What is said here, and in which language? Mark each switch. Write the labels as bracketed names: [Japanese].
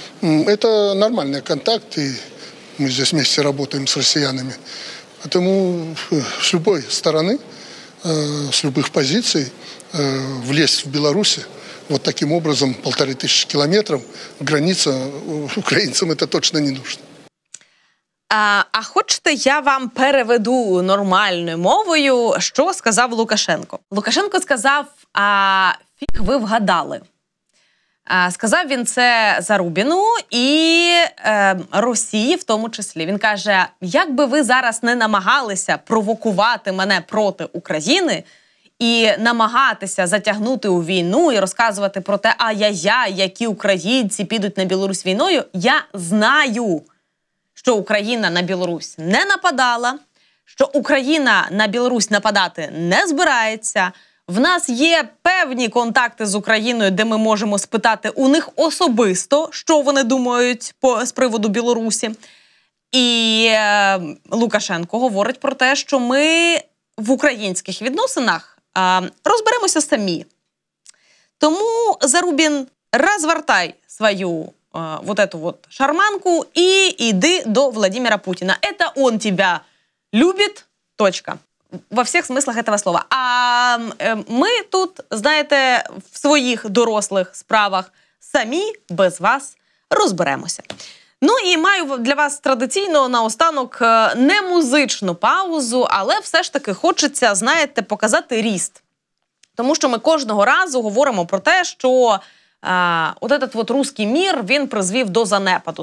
[Russian] Это нормальные контакты. Мы здесь вместе работаем с россиянами. Поэтому с любой стороны, с любых позиций влезть в Беларусь вот таким образом, 1500 километров, граница, украинцам это точно не нужно. [Ukrainian] А хочете, я вам переведу нормальною мовою, що сказав Лукашенко? Лукашенко сказав, фіг ви вгадали. Сказав він це Зарубіну і Росії в тому числі. Він каже, як би ви зараз не намагалися провокувати мене проти України і намагатися затягнути у війну і розказувати про те, ай-яй-яй, які українці підуть на Білорусь війною, я знаю, що Україна на Білорусь не нападала, що Україна на Білорусь нападати не збирається. В нас є певні контакти з Україною, де ми можемо спитати у них особисто, що вони думають з приводу Білорусі. І Лукашенко говорить про те, що ми в українських відносинах розберемося самі. [Russian] Тому, Зарубін, [Ukrainian] розвертай свою [Russian] вот эту вот шарманку и иди до Владимира Путина. Это он тебя любит, точка. Во всех смыслах этого слова. А мы тут, знаете, в своих [Ukrainian] дорослых справах [Russian] сами без вас [Ukrainian] розберемося. Ну і маю для вас традиційно наостанок не музичну паузу, але все ж таки хочеться, знаєте, показати ріст. Тому що ми кожного разу говоримо про те, що [Russian] от этот вот русский мир, [Ukrainian] він призвів до занепаду.